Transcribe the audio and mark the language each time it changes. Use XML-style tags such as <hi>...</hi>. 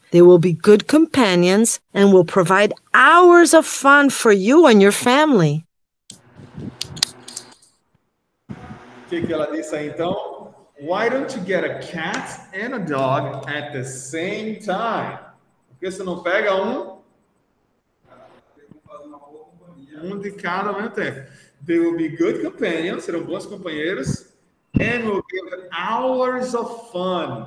<en>They will be good companions and will provide hours of fun for you and your family.</en> <pt>Que ela disse aí, então?</pt> <en>Why don't you get a cat and a dog at the same time?</en> <pt>Por que você não pega um de cada ao mesmo tempo?</pt> <en>They will be good companions,</en> <pt>serão bons companheiros,</pt> <en>and will give hours of fun.</en>